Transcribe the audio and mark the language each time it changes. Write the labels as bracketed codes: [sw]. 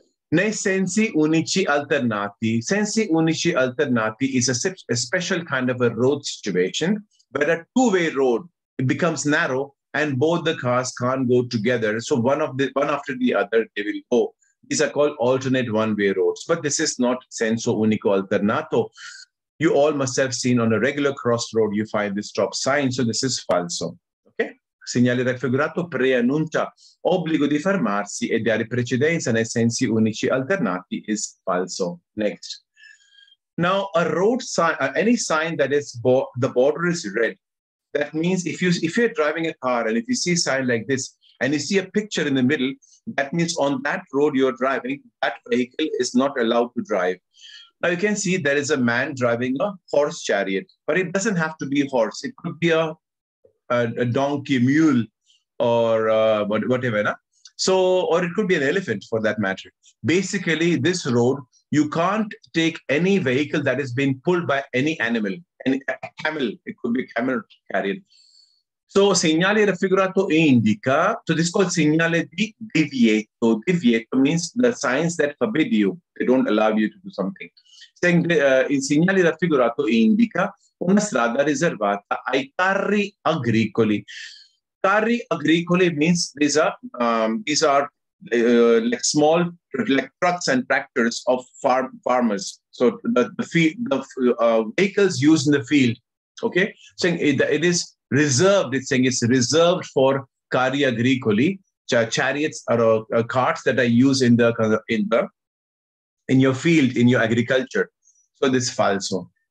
[it] Nei sensi unici alternati. [en] Sensi unici alternati is a special kind of a road situation where a two-way road becomes narrow and both the cars can't go together. So one after the other, they will go. These are called alternate one-way roads. But this is not senso unico alternato. You all must have seen on a regular crossroad, you find this stop sign. So this is falso. [it] Segnale raffigurato preannuncia obbligo di fermarsi e dare precedenza nei sensi unici alternati is falso. [en] Next. Now, a road sign, any sign that is the border is red, that means if you're driving a car and if you see a sign like this and you see a picture in the middle, that means on that road you're driving, that vehicle is not allowed to drive. Now, you can see there is a man driving a horse chariot, but it doesn't have to be a horse. It could be a donkey, mule, or whatever. Na? So, or it could be an elephant for that matter. Basically, this road, you can't take any vehicle that has been pulled by any animal, a camel. It could be a camel carrier. So, [it] segnale raffigurato indica, [en] so this is called segnale di divieto. Divieto means the signs that forbid you. They don't allow you to do something. [it] Saying in segnale raffigurato indica una strada riservata ai carri agricoli. [en] Carri agricoli means these are like small like trucks and tractors of farmers. So the vehicles used in the field. Okay, saying it is reserved. It's saying it's reserved for carri agricoli, chariots or carts that are used in your field, in your agriculture. So this is falso.